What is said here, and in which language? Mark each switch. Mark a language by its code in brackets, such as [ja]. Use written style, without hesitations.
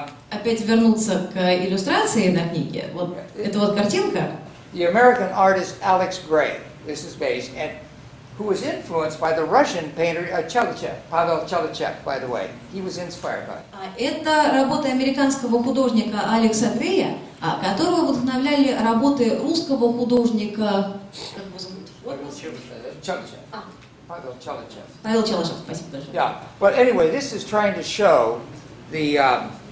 [ru] Опять вернуться к иллюстрации на книге. Вот это вот картинка. [en] The American artist Alex Gray, this is based, and who was influenced by the Russian painter Chelyachev, Pavel Chelyachev, by the way. He was inspired by it. [ru] Это работа американского художника Алекса Грея, которого вдохновляли работы русского художника... Как его зовут? Павел Чалычев, спасибо большое. [en] Yeah, but anyway, this is trying to show the...